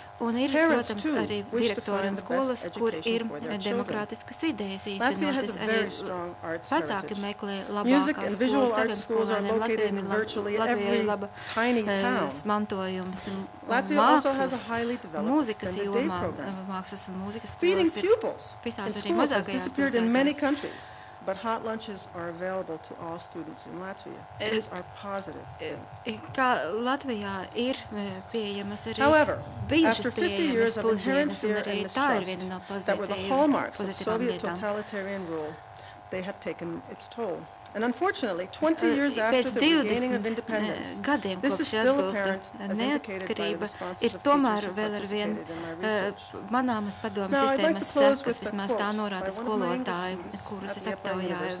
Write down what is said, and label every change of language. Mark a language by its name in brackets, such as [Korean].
[Latvian] Un ir, protams, arī direktori un skolas, kur ir demokrātiskas idejas īstenotas. Arī vecāki meklē labākās skolas saviem skolēniem. Latvijai ir laba mantojums mākslas, mākslas un mūzikas skolas ir visās arī mazākajās pilsētās. [English] But hot lunches are available to all students in Latvia. These are positive things. [Latvian] Kā Latvijā ir pieejamas arī bīžas pieejamas pusdienas, un arī tā ir viena no pozitīvām lietām. [English] Totalitarian rule, they have taken its toll. And unfortunately, 20 years after the beginning of independence, this is still apparent, as indicated by the responses of teachers who participated in my research. Now, I'd like to close with a quote by one of my instructors, [Latvian] kuras es aptaujāju.